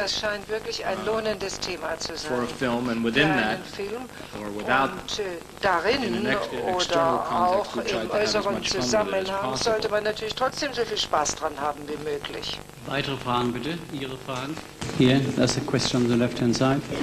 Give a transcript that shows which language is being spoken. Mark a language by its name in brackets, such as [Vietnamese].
[English] for a film, and within that, or without, in an external context, we try to have as much fun with it as possible. [German] Sollte man natürlich trotzdem so viel Spaß dran haben wie möglich. Weitere Fragen, bitte. Ihre Fragen. [English] Here, there's a question on the left-hand side.